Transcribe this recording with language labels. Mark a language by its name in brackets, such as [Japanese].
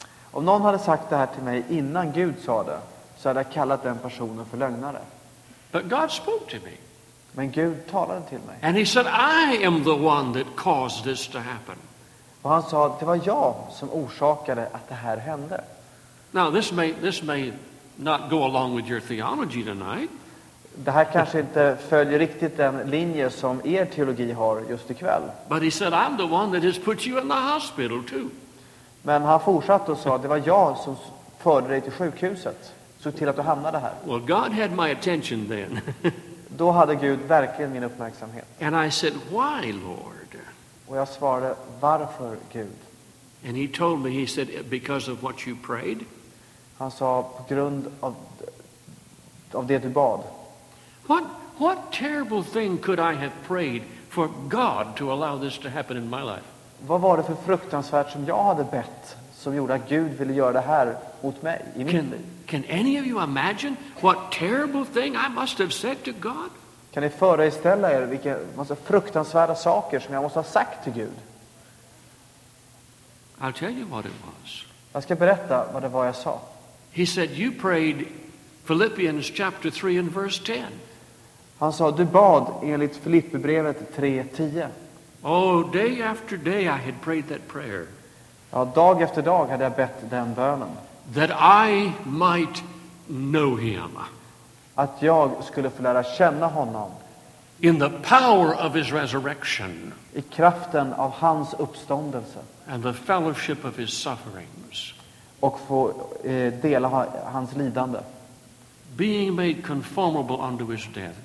[Swedish] Om någon hade sagt det här till mig innan Gud sa det, så hade jag kallat den personen för lögnare. [English] But God spoke to me. [Swedish] Men Gud talade till mig. [English] And he said, "I am the one that caused this to happen." [Swedish] Och han sa, det var jag som orsakade att det här hände. [English] Now this may not go along with your theology tonight. [Swedish] Det här kanske inte följer riktigt den linje som er teologi har just ikväll. [English] But he said, "I'm the one that has put you in the hospital too." [Swedish] Men han fortsatte och sa, det var jag som förde dig till sjukhuset. Så till att du hamnade här. [English] Well, God had my attention then. [Swedish] Då hade Gud verkligen min uppmärksamhet. [English] And I said, "Why, Lord?" [Swedish] Och jag svarade, varför Gud? [English] And he told me, he said, "Because of what you prayed." [Swedish] Han sa, på grund av det du bad. [English] What terrible thing could I have prayed for God to allow this to happen in my life? [Swedish] Vad var det för fruktansvärt som jag hade bett som gjorde att Gud ville göra det här mot mig i mitt liv? [English] Can any of you imagine what terrible thing I must have said to God? [Swedish] Kan ni föreställa er vilka massa fruktansvärda saker som jag måste ha sagt till Gud? [English] I'll tell you what it was. [Swedish] Jag ska berätta vad det var jag sa. [English] He said, "You prayed Philippians chapter 3 and verse 10. [Swedish] Han sa, du bad enligt Filipperbrevet 3:10. [English] Oh, day after day I had prayed that prayer. [Swedish] Ja, dag efter dag hade jag bett den bönen. [English] That I might know him. [Swedish] Att jag skulle få lära känna honom. [English] In the power of his resurrection. [Swedish] I kraften av hans uppståndelse. [English] And the fellowship of his sufferings. [Swedish] Och få dela hans lidande. [English] Being made conformable unto his death.